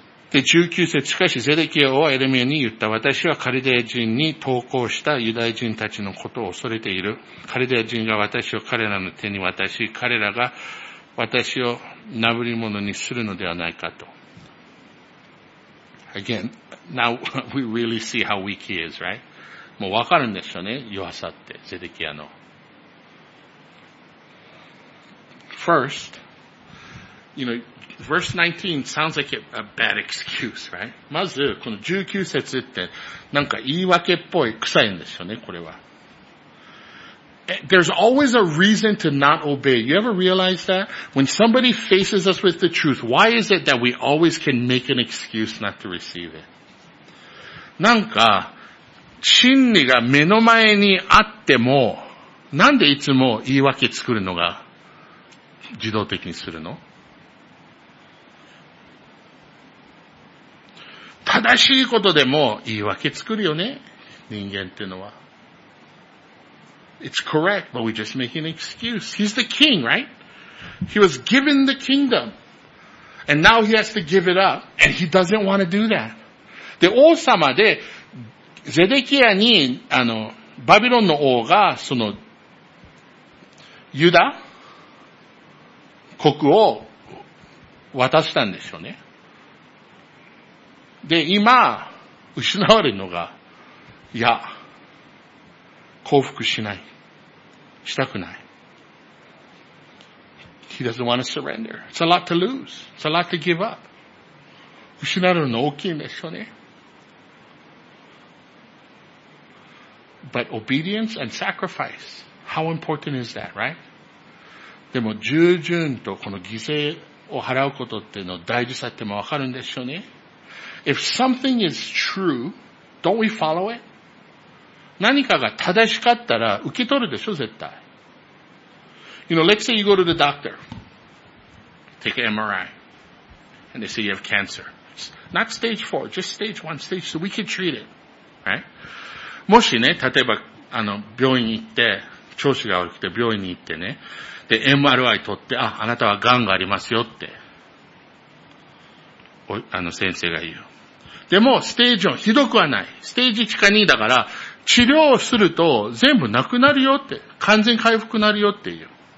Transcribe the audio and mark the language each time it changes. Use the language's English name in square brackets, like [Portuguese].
[Japanese] で、19節、しかしゼデキア王はエレミアに言った。私はカルデア人に投降したユダヤ人たちのことを恐れている。カルデア人が私を彼らの手に渡し、彼らが私を殴り者にするのではないかと。 [English] Again, now we really see how weak he is, right? [Japanese] もうわかるんでしょうね、弱さって、ゼデキアの。 [English] first, you know, verse 19 sounds like a bad excuse, right? [Japanese] まず、この19節って、なんか言い訳っぽい、臭いんですよね、これは。 [English] There's always a reason to not obey. You ever realize that? When somebody faces us with the truth, why is it that we always can make an excuse not to receive it? [Japanese] なんか、真理が目の前にあっても、なんでいつも言い訳作るのが自動的にするの？正しいことでも言い訳作るよね、人間っていうのは。 [English] It's correct, but we just make an excuse. He's the king, right? He was given the kingdom. And now he has to give it up. And he doesn't want to do that. [Japanese] で、王様で、ゼデキアに、バビロンの王が、その、ユダ国を渡したんですよね。で、今、失われるのが、いや、降伏しない。したくない。 [English] He doesn't want to surrender. It's a lot to lose. It's a lot to give up. [Japanese] 失われるの大きいんですよね。 [English] But obedience and sacrifice, how important is that, right? [Japanese] でも従順とこの犠牲を払うことっていうの大事さってもわかるんですよね。 [English] If something is true, don't we follow it? [Japanese] 何かが正しかったら受け取るでしょ、絶対。 [English] You know, let's say you go to the doctor. Take an MRI. And they say you have cancer. Not stage 4, just stage 1, stage 2, we can treat it. Right? [Japanese] もしね、例えば、病院に行って、調子が悪くて病院に行ってね、で、MRI 取って、あ、あなたは癌がありますよって、先生が言う。でも、ステージ4、ひどくはない。ステージ1か2だから、治療をすると全部なくなるよって、完全回復なるよって言う。